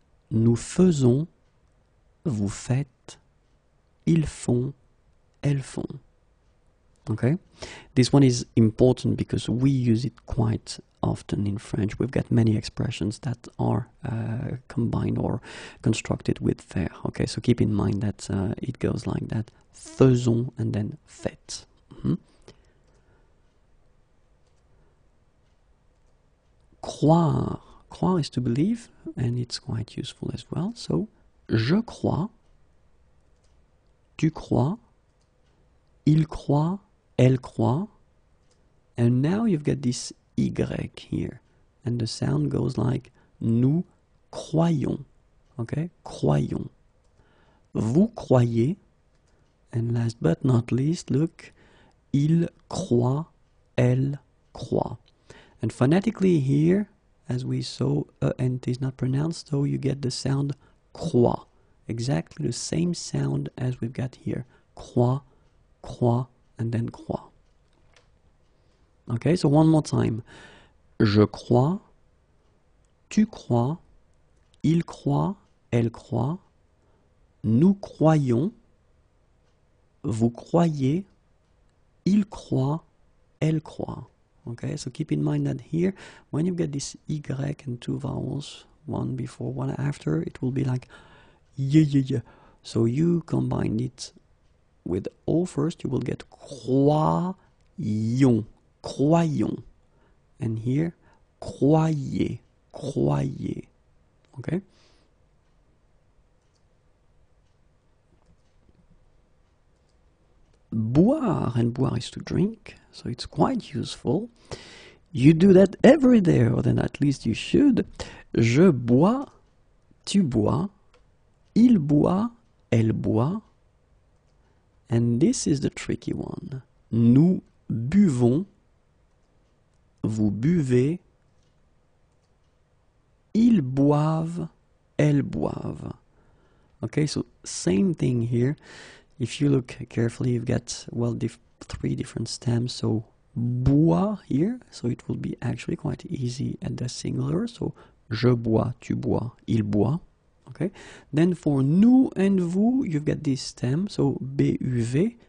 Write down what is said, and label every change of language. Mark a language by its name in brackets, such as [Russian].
[French] Nous faisons, vous faites, ils font, elles font. [English] Okay? This one is important because we use it quite often in French. We've got many expressions that are combined or constructed with faire. Okay, so keep in mind that it goes like that. Faisons and then faites. Croire. Croire is to believe, and it's quite useful as well. [French] So, je crois, tu crois, il croit, elle croit, [English] And now you've got this Y here. And the sound goes like [French] nous croyons. [English] Okay? Croyons. [French] Vous croyez. [English] And last but not least, look. [French] Il croit. Elle croit. [English] And phonetically here, as we saw, ent is not pronounced, so you get the sound croit. Exactly the same sound as we've got here. Croit, croit, and then croit. Okay, so one more time. [French] Je crois, tu crois, il croit, elle croit, nous croyons, vous croyez, il croit, elle croit. [English] Okay, so keep in mind that here, when you get this Y and two vowels, one before, one after, it will be like yeah, yeah, yeah. So you combine it with O first, you will get croyons, croyons. And here, croyez, croyez. Okay? Boire, and boire is to drink, so it's quite useful. You do that every day, or then at least you should. [French] Je bois, tu bois, il boit, elle boit. [English] And this is the tricky one. [French] Nous buvons, vous buvez, ils boivent, elles boivent. [English] Okay, so same thing here. If you look carefully, you've got, well, three different stems. So, bois here. So, it will be actually quite easy at the singular. [French] So, je bois, tu bois, il boit. Okay. [English] Then, for nous and vous, you've got this stem. So, B-U-V.